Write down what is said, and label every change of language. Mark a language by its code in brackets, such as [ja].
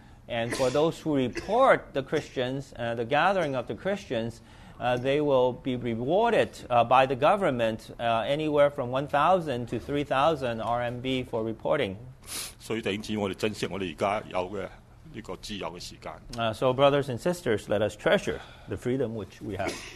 [en] And for those who report the Christians, the gathering of the Christians, they will be rewarded by the government anywhere from 1,000 to 3,000 RMB for reporting. [zh] 所以弟兄姊妹，我們珍惜我們現在有的這個自由的時間。 [en] So brothers and sisters, let us treasure the freedom which we have.